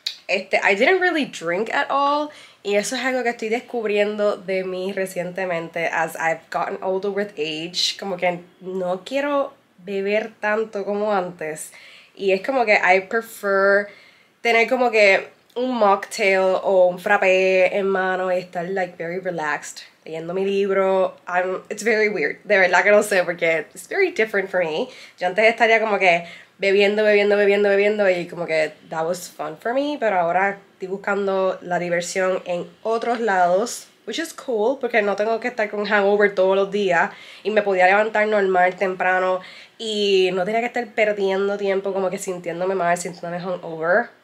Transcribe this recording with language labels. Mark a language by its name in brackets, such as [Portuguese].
[English] I didn't really drink at all. [Spanish] Y eso es algo que estoy descubriendo de mí recientemente. [English] As I've gotten older with age, [Spanish] como que no quiero beber tanto como antes. Y es como que [English] I prefer [Spanish] tener como que un mocktail o un frappé en mano y estar [English] like very relaxed [Spanish] leyendo mi libro. [English] It's very weird, [Spanish] de verdad que no sé, porque [English] it's very different for me. [Spanish] Yo antes estaría como que bebiendo y como que [English] that was fun for me, [Spanish] pero ahora estoy buscando la diversión en otros lados, [English] which is cool, [Spanish] porque no tengo que estar con hangover todos los días y me podía levantar normal temprano y no tenía que estar perdiendo tiempo como que sintiéndome mal, sintiéndome hangover.